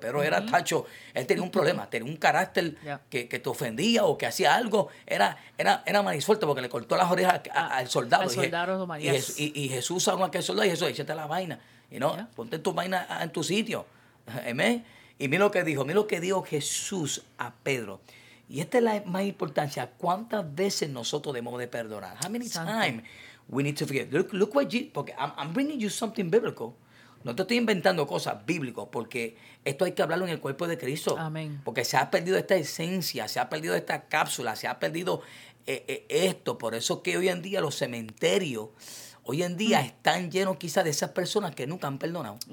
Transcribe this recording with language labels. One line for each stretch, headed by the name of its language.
Spanish: Pedro era tacho, él tenía un problema, tenía un carácter que te ofendía o que hacía algo, era manisuelto porque le cortó las orejas al soldado. Al soldado, y Jesús habló a aquel soldado y Jesús, échate la vaina, y no, ponte tu vaina en tu sitio, amén. Y mira lo que dijo Jesús a Pedro. Y esta es la más importancia, ¿cuántas veces nosotros debemos de perdonar?
English: How many times? We need to forget. Look what Jesus, porque I'm bringing you something biblical.
Spanish: No te estoy inventando cosas bíblicas, porque esto hay que hablarlo en el cuerpo de Cristo. Amén. Porque se ha perdido esta esencia, se ha perdido esta cápsula, se ha perdido esto. Por eso que hoy en día los cementerios, hoy en día están llenos quizás de esas personas que nunca han perdonado.